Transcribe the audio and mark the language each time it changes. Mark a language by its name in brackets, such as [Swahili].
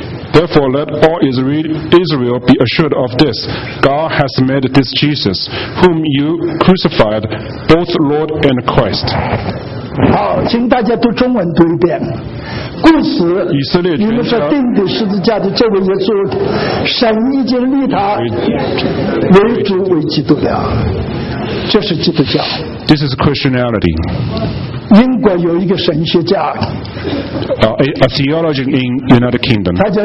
[English] Therefore, let all Israel be assured of this. God has made this Jesus, whom you crucified, both Lord and Christ. [Chinese] 好，请大家都中文读一遍。故事，你们说钉钉十字架的这位耶稣，神已经立他为主为基督了，这是基督教。This [English] is Christianity. [Chinese] 英国有一个神学家 [English] a theologian in United Kingdom.